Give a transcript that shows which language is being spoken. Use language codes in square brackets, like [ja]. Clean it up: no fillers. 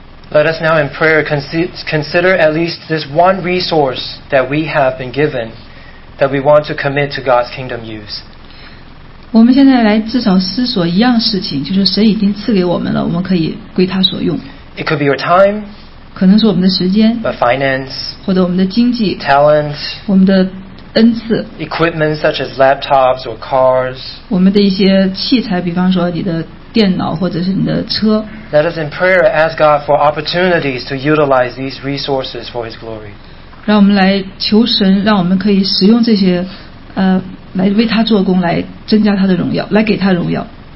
[en] Let us now in prayer consider at least this one resource that we have been given that we want to commit to God's kingdom use. [zh] 我们现在来至少思索一样事情，就是神已经赐给我们了，我们可以归他所用。 [en] It could be your time. [zh] 可能是我们的时间。 [en] But finance. [zh] 或者我们的经济。 [en] Talent. [zh] 我们的恩赐。 [en] Equipment such as laptops or cars. [zh] 我们的一些器材，比方说你的电脑或者是你的车。 [en] Let us in prayer ask God for opportunities to utilize these resources for His glory. [zh] 让我们来求神，让我们可以使用这些，来为他做工，来增加他的荣耀，来给他荣耀。